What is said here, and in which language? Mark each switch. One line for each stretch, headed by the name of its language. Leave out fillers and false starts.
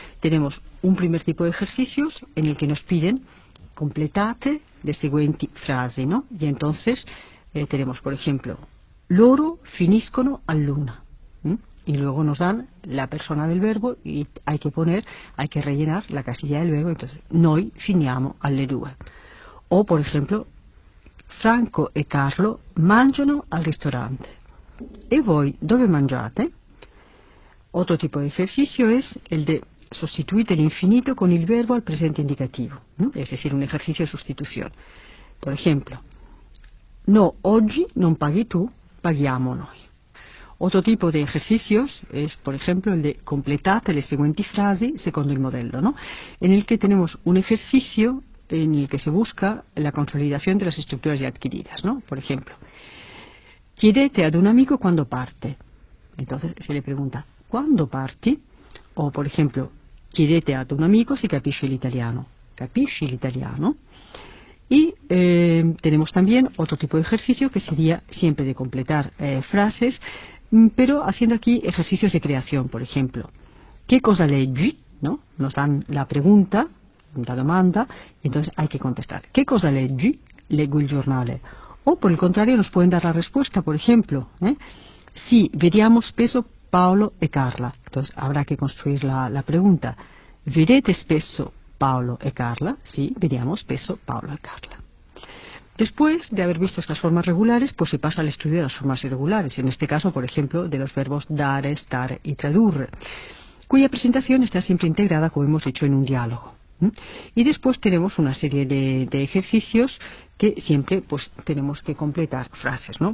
Spanish: Tenemos un primer tipo de ejercicios en el que nos piden completate la siguiente frase, ¿no? Y entonces tenemos, por ejemplo,
Italian: loro finiscono a luna.
Spanish: Y luego nos dan la persona del verbo y hay que rellenar la casilla del verbo. Entonces,
Italian: noi finiamo alle due.
Spanish: O, por ejemplo,
Italian: Franco e Carlo mangiano al ristorante. ¿E voi dove mangiate?
Spanish: Otro tipo de ejercicio es el de sustituir el infinito con el verbo al presente indicativo, ¿no? Es decir, un ejercicio de sustitución. Por ejemplo, no,
Italian: oggi non paghi tu, paghiamo noi.
Spanish: Otro tipo de ejercicios es, por ejemplo, el de
Italian: completate le seguenti frasi secondo il modello,
Spanish: ¿no? En el que tenemos un ejercicio en el que se busca la consolidación de las estructuras ya adquiridas, ¿no? Por ejemplo,
Italian: chiedete ad un amico quando parte.
Spanish: Entonces se le pregunta, ¿cuándo parti? O, por ejemplo,
Italian: chiedete ad un amico si capisce l'italiano. ¿Capisci l'italiano?
Spanish: Y tenemos también otro tipo de ejercicio que sería siempre de completar frases, pero haciendo aquí ejercicios de creación, por ejemplo.
Italian: ¿Qué cosa leggi?
Spanish: ¿No? Nos dan la pregunta, la demanda, y entonces hay que contestar.
Italian: ¿Qué cosa leggi? Leggo il giornale.
Spanish: O, por el contrario, nos pueden dar la respuesta, por ejemplo. Sí,
Italian: vediamo spesso Paolo e Carla.
Spanish: Entonces habrá que construir la pregunta.
Italian: ¿Vedete spesso Paolo e Carla? Sí, vediamo spesso Paolo e Carla.
Spanish: Después de haber visto estas formas regulares, pues se pasa al estudio de las formas irregulares, en este caso, por ejemplo, de los verbos dare, stare y tradurre, cuya presentación está siempre integrada, como hemos dicho, en un diálogo. Y después tenemos una serie de ejercicios que siempre pues tenemos que completar frases, ¿no?